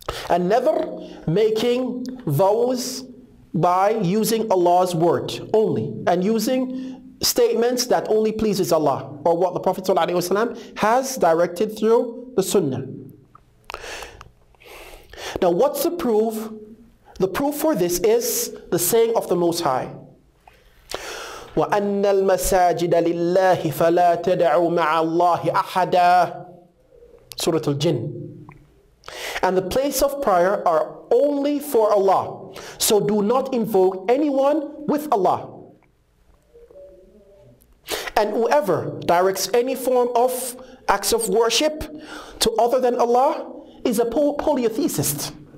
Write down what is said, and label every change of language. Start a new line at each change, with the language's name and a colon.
English: And nadhr, making vows by using Allah's word only and using statements that only pleases Allah or what the Prophet ﷺ has directed through the Sunnah. Now what's the proof? The proof for this is the saying of the Most High.
Arabic: وَأَنَّ الْمَسَاجِدَ لِلَّهِ فَلَا تَدَعُوا مَعَ اللَّهِ أَحَدًا Surah Al-Jinn.
English: And the place of prayer are only for Allah. So do not invoke anyone with Allah. And whoever directs any form of acts of worship to other than Allah is a polytheist.